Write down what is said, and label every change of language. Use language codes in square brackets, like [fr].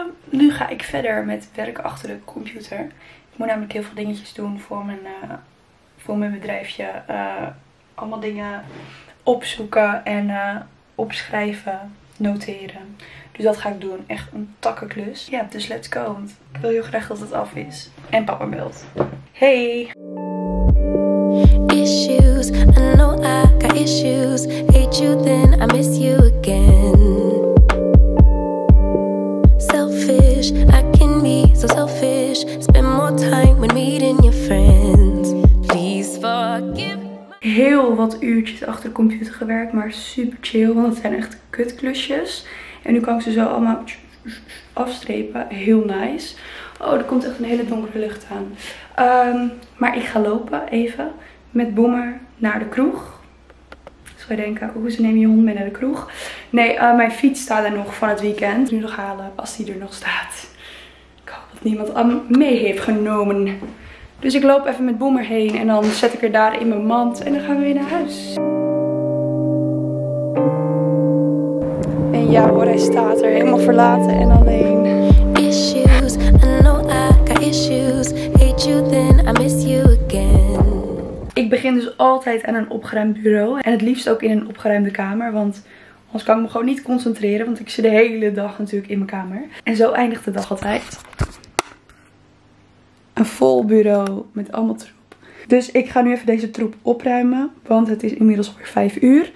[nl] Nu ga ik verder met werken achter de computer. Ik moet namelijk heel veel dingetjes doen voor mijn bedrijfje. Allemaal dingen opzoeken en opschrijven, noteren. Dus dat ga ik doen. Echt een takkenklus. Ja, dus [en] let's go. [nl] Want ik wil heel graag dat het af is. En papa belt. Hey! [en] Issues, I know I got issues. Hate you then I miss you again. Selfish, I can be so selfish. Spend more time when meeting your friends. Please forgive me. [nl] Heel wat uurtjes achter de computer gewerkt, maar super chill, want het zijn echt kutklusjes. En nu kan ik ze zo allemaal afstrepen. Heel nice. Oh, er komt echt een hele donkere lucht aan. Maar ik ga lopen even met Boomer naar de kroeg. Zou je denken, hoe ze nemen je hond mee naar de kroeg? Nee, mijn fiets staat er nog van het weekend. Nu nog halen, als die er nog staat. Ik hoop dat niemand hem mee heeft genomen. Dus ik loop even met Boomer heen en dan zet ik er daar in mijn mand en dan gaan we weer naar huis. En ja hoor, hij staat er helemaal verlaten en alleen. [en] Issues, I know I got issues. Hate you then I miss you again. [nl] Ik begin dus altijd aan een opgeruimd bureau en het liefst ook in een opgeruimde kamer, want anders kan ik me gewoon niet concentreren, want ik zit de hele dag natuurlijk in mijn kamer. En zo eindigt de dag altijd. Een vol bureau met allemaal troep. Dus ik ga nu even deze troep opruimen. Want het is inmiddels alweer 5 uur.